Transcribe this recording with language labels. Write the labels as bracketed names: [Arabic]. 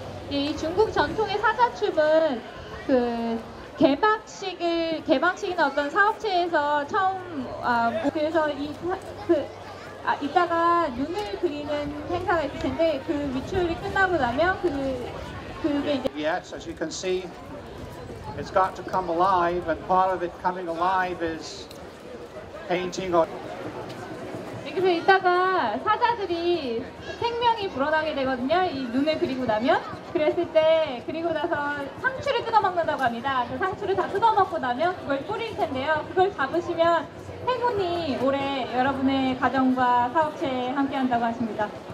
[Korean] Yeah, 이 중국 전통의 사자춤은 그 개막식인 어떤 사업체에서 처음 그래서 이 그 아, 이따가 눈을 그리는 행사가 있을 텐데 그 위출이 끝나고 나면 그게 이제 [English] Yes, as you can see, it's got to come alive, and part of it coming alive is painting or [Korean] 그래서 이따가 사자들이 생명이 불어나게 되거든요. 이 눈을 그리고 나면 그랬을 때 그리고 나서 상추를 뜯어먹는다고 합니다. 그 상추를 다 뜯어먹고 나면 그걸 뿌릴 텐데요. 그걸 잡으시면 행운이 올해 여러분의 가정과 사업체에 함께 한다고 하십니다.